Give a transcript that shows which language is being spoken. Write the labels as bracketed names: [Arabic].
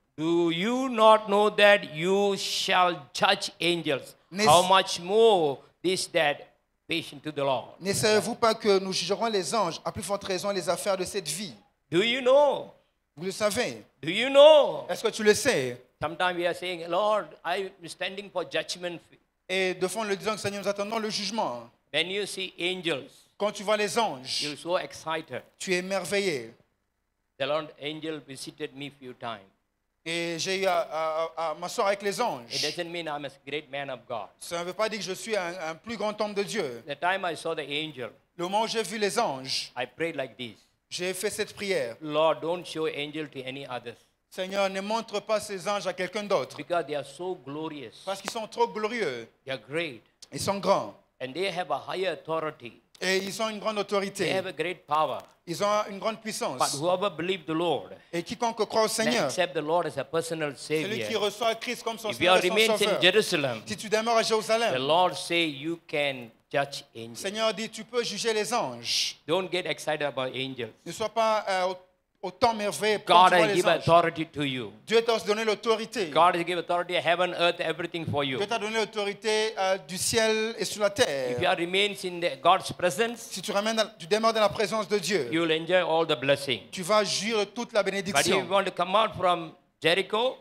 [English] Do you not know that you shall judge angels? How much more this that patient to the Lord? [French] Ne savez-vous pas que nous jugerons les anges à plus forte raison les affaires de cette vie? [English] Do you know? [French] Vous le savez? [English] Do you know? [French] Est-ce que tu le sais? [English] Sometimes we are saying, Lord, I am standing for judgment. [French] Et de fond, le disant que Seigneur, nous attendons le jugement. [English] When you see angels, [French] quand tu vois les anges, [English] you're so excited. [French] Tu es émerveillé. [English] The Lord angel visited me a few times. [French] Et j'ai eu à m'asseoir avec les anges. [English] It doesn't mean I'm a great man of God. [French] Ça ne veut pas dire que je suis un plus grand homme de Dieu. [English] The time I saw the angel, [French] le moment où j'ai vu les anges, [English] I prayed like this. [French] J'ai fait cette prière. [English] Lord, don't show angel to any others. [French] Seigneur, ne montre pas ces anges à quelqu'un d'autre. [English] Because they are so glorious. [French] Parce qu'ils sont trop glorieux. [English] They are great. [French] Ils sont grands. [English] And they have a higher authority. [French] Et ils ont une grande autorité. [English] They have a great power. [French] Ils ont une grande puissance. [English] But whoever believes the Lord, [French] et quiconque croit au Seigneur, [English] accept the Lord as a personal savior. [French] Celui qui reçoit Christ comme son [English] if [French] Seigneur et son Sauveur, [English] in Jerusalem, [French] si tu demeures à Jérusalem, [English] the Lord say you can judge angels. [French] Seigneur dit, tu peux juger les anges. [English] Don't get excited about angels. [French] Ne sois pas autant merveilleux pour [English] God [French] toi les [English] God has given authority to you. [French] Dieu t'a donné l'autorité. [English] God has given authority heaven, earth, everything for you. [French] Dieu t'a donné l'autorité du ciel et sur la terre. [English] If you remain in the God's presence, [French] si tu ramènes, tu demeures dans la présence de Dieu, [English] you will enjoy all the blessing. [French] Tu vas jouir toute la bénédiction. [English] But if you want to come out from Jericho,